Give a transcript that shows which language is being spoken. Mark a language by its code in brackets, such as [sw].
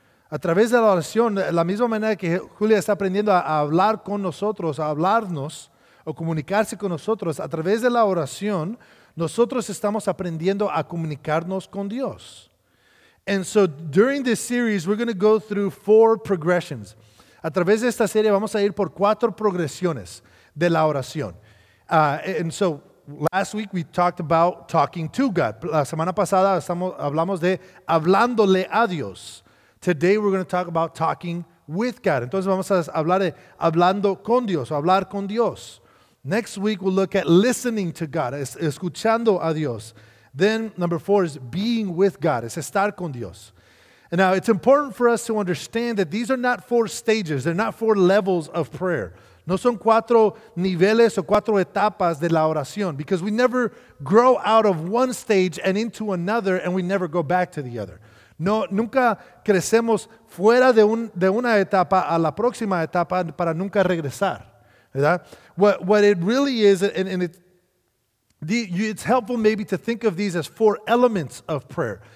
[es] A través de la oración, la misma manera que Julia está aprendiendo a hablar con nosotros, a hablarnos, o comunicarse con nosotros a través de la oración, nosotros estamos aprendiendo a comunicarnos con Dios. [en] And so during this series, we're going to go through four progressions. [es] A través de esta serie vamos a ir por cuatro progresiones de la oración. [en] And so last week we talked about talking to God. [es] La semana pasada hablamos de hablándole a Dios. [en] Today we're going to talk about talking with God. [es] Entonces vamos a hablar de hablando con Dios, o hablar con Dios. [en] Next week we'll look at listening to God, [es] escuchando a Dios. [en] Then number four is being with God, [es] es estar con Dios. [en] And now it's important for us to understand that these are not four stages, they're not four levels of prayer. [es] No son cuatro niveles o cuatro etapas de la oración, [en] because we never grow out of one stage and into another, and we never go back to the other. [es] No, nunca crecemos fuera de una etapa a la próxima etapa para nunca regresar, ¿verdad? [en] What it really is, it's helpful maybe to think of these as four elements of prayer.